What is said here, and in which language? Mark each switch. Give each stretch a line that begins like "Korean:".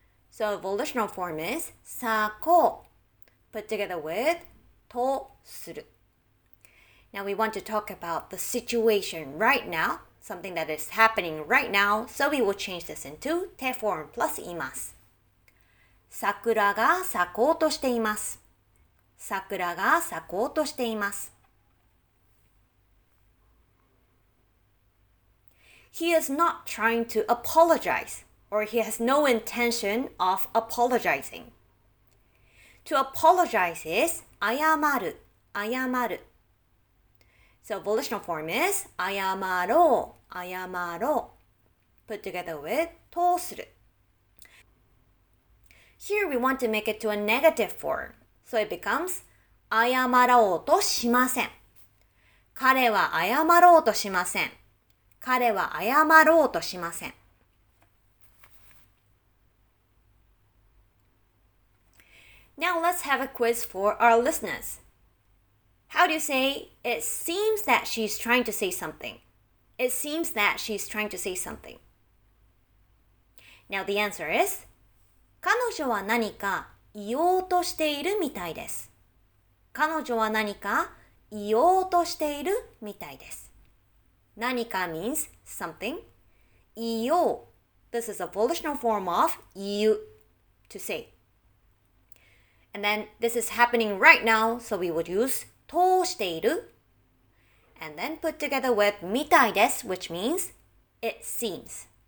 English: So volitional form is 咲こう。 Put together with とする。 Now we want to talk about the situation right now, something that is happening right now, so we will change this into te form plus います。
Japanese: 桜が咲こうとしています。桜が咲こうとしています。
English: He is not trying to apologize, or he has no intention of apologizing. To apologize is
Japanese: 謝る、謝る。
English: So volitional form is
Japanese: 謝ろう、謝ろう。
English: Put together with とする。 Here we want to make it to a negative form, so it becomes
Japanese: 謝ろうとしません。彼は謝ろうとしません。彼は謝ろうとしません。
English: Now let's have a quiz for our listeners. How do you say, it seems that she's trying to say something? It seems that she's trying to say something. Now the answer is,
Japanese: 彼女は何か言おうとしているみたいです。彼女は何か言おうとしているみたいです。
English: 何か means something.
Japanese: 言おう.
English: This is a volitional form of 言う, to say. And then this is happening right now, so we would use 通している. And then put together with みたいです, which means it seems.